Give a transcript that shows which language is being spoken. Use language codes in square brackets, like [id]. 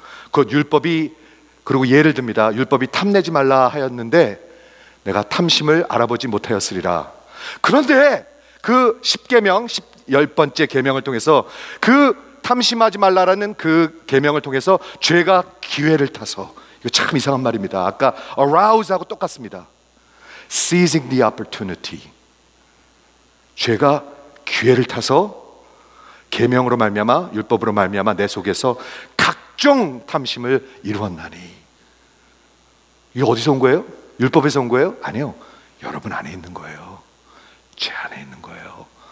[ko] 그 율법이, 그리고 예를 듭니다. 율법이 탐내지 말라 하였는데 내가 탐심을 알아보지 못하였으리라. 그런데 그 십계명, 10번째 계명을 통해서, 그 탐심하지 말라라는 그 계명을 통해서 죄가 기회를 타서 이거 참 이상한 말입니다. 아까 arouse하고 똑같습니다. [en] Seizing the opportunity. [ko] 죄가 기회를 타서 계명으로 말미암아 율법으로 말미암아 내 속에서 각종 탐심을 이루었나니. 이게 어디서 온 거예요? 율법에서 온 거예요? 아니요. 여러분 안에 있는 거예요. 죄 안에 있는 거예요.